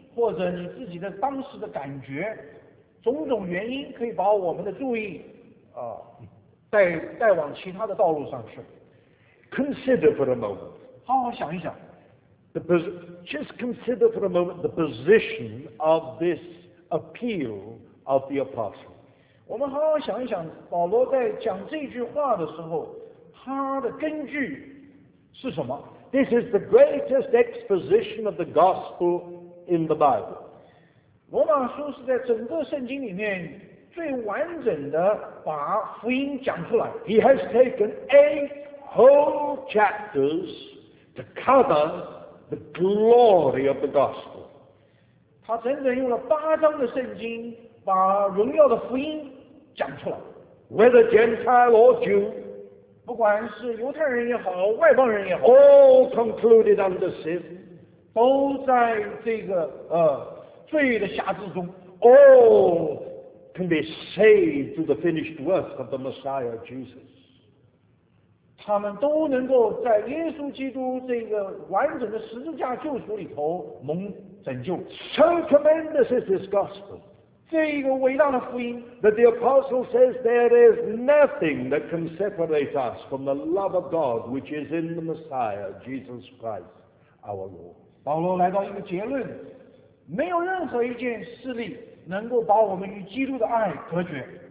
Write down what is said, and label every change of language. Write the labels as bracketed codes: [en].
[zh] 或者你自己的当时的感觉，种种原因可以把我们的注意，带往其他的道路上去。 [en] Consider for a moment. [zh] 好好想一想。 [en] Just consider for a moment the position of this appeal of the apostle. [zh] 我们好好想一想，保罗在讲这句话的时候，他的根据是什么 [en] ？This is the greatest exposition of the gospel. In the Bible, [zh] 罗马书是在整个圣经里面最完整的把福音讲出来。 [en] He has taken 8 whole chapters to cover the glory of the gospel. [zh] 他整整用了八章的圣经把荣耀的福音讲出来。 [en] Whether Gentile or Jew, [zh] 不管是犹太人也好，外邦人也好 [en] ，all concluded under sin. [zh] 都在这个罪的辖制中 [en] ，all can be saved through the finished work of the Messiah Jesus。 [zh] 他们都能够在耶稣基督这个完整的十字架救赎里头蒙拯救。 [en] So tremendous is this gospel， [zh] 这一个伟大的福音 [en] ，that the apostle says there is nothing that can separate us from the love of God which is in the Messiah Jesus Christ our Lord。 [zh] 保罗来到一个结论，没有任何一件事例能够把我们与基督的爱隔绝。